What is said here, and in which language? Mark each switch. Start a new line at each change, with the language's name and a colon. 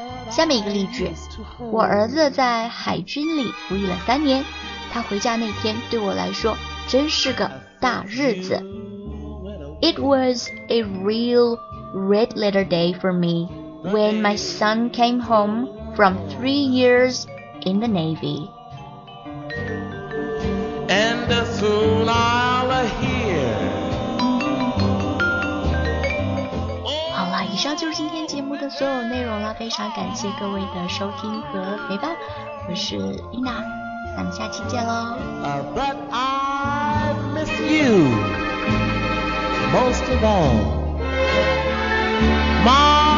Chinese: 下面一个例句，我儿子在海军里服役了三年，他回家那天对我来说真是个大日子。
English: It was a real red letter day for me when my son came home from 3 years in the Navy. And soon I'll hear.
Chinese: 好了，以上就是今天节目的所有内容了，非常感谢各位的收听和陪伴，我是伊娜。咱们下期见喽。
English: But I miss you most of all. My